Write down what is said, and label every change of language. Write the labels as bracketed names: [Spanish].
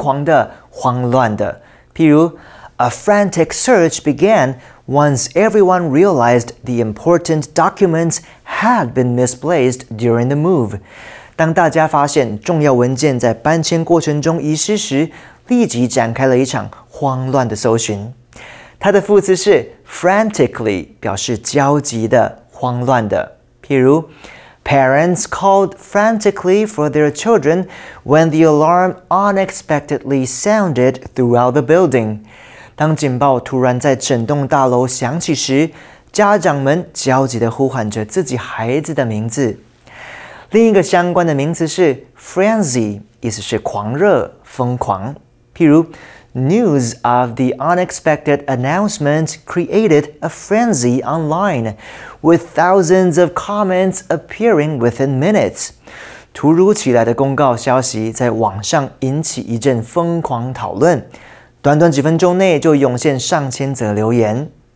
[English] A frantic search began once everyone realized the important documents had been misplaced during the move. [Chinese] 当大家发现重要文件在搬迁过程中遗失时，立即展开了一场慌乱的搜寻。它的副词是 frantically， 表示焦急的、慌乱的。譬如 [English] Parents called frantically for their children when the alarm unexpectedly sounded throughout the building. [Chinese] 当警报突然在整栋大楼响起时，家长们焦急地呼喊着自己孩子的名字。另一个相关的名词是 frenzy， 意思是狂热、疯狂。譬如 [English] ，news of the unexpected announcement created a frenzy online. With thousands of comments appearing within minutes. [Chinese] 突如其来的公告消息在网上引起一阵疯狂讨论，短短几分钟内就涌现上千则留言。